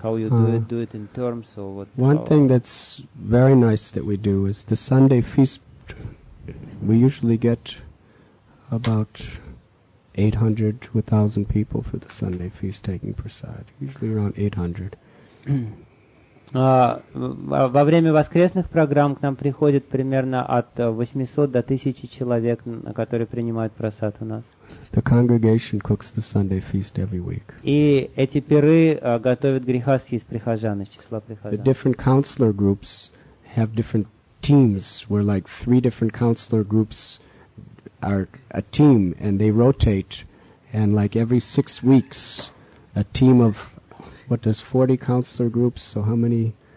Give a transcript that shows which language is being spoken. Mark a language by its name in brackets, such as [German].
[English] How you do it? Do it in terms or what? One thing that's very nice that we do is the Sunday feast. We usually get about 800 to 1,000 people for the Sunday feast taking prasad, usually around 800. [Russian] Во время воскресных программ к нам приходит примерно от 800 до 1000 человек, которые принимают просад у нас. [English] The congregation cooks the Sunday feast every week. [Russian] И эти пиры готовят грихасхи из прихожан, из числа прихожан. [English] The different counselor groups have different teams, where like three different counselor groups are a team, and they rotate, and like every six weeks, a team of what does 40 counselor groups, so how many?